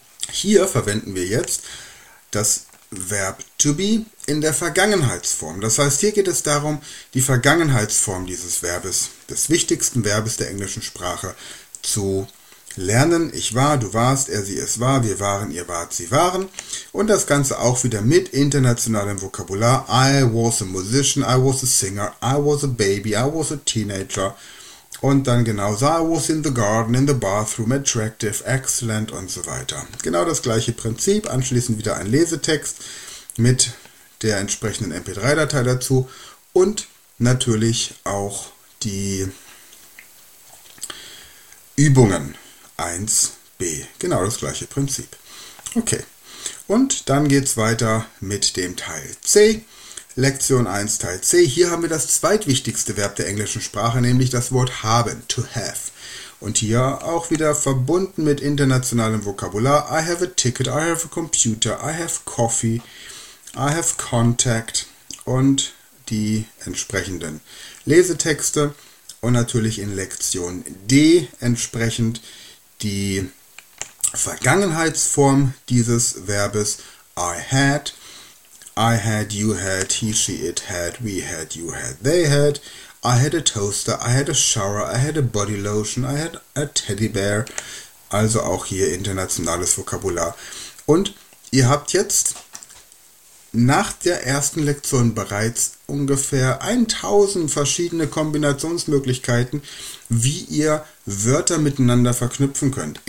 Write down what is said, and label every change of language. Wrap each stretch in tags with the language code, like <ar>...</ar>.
<de>Hier verwenden wir jetzt das Verb to be in der Vergangenheitsform. Das heißt, hier geht es darum, die Vergangenheitsform dieses Verbes, des wichtigsten Verbes der englischen Sprache, zu lernen. Ich war, du warst, er, sie, es war, wir waren, ihr wart, sie waren. Und das Ganze auch wieder mit internationalem Vokabular.</de> <en>I was a musician, I was a singer, I was a baby, I was a teenager.</en> <de>Und dann genauso,</de> <en>I was in the garden, in the bathroom, attractive, excellent</en> <de>und so weiter. Genau das gleiche Prinzip, anschließend wieder ein Lesetext mit der entsprechenden MP3-Datei dazu und natürlich auch die Übungen 1b. Genau das gleiche Prinzip. Okay, und dann geht's weiter mit dem Teil C. Lektion 1, Teil C. Hier haben wir das zweitwichtigste Verb der englischen Sprache, nämlich das Wort haben, to have. Und hier auch wieder verbunden mit internationalem Vokabular.</de> <en>I have a ticket, I have a computer, I have coffee, I have contact</en> <de>und die entsprechenden Lesetexte. Und natürlich in Lektion D entsprechend die Vergangenheitsform dieses Verbes</de> <en>I had. I had, you had, he, she, it had, we had, you had, they had. I had a toaster, I had a shower, I had a body lotion, I had a teddy bear.</en> <de>Also auch hier internationales Vokabular. Und ihr habt jetzt nach der ersten Lektion bereits ungefähr 1000 verschiedene Kombinationsmöglichkeiten, wie ihr Wörter miteinander verknüpfen könnt.</de>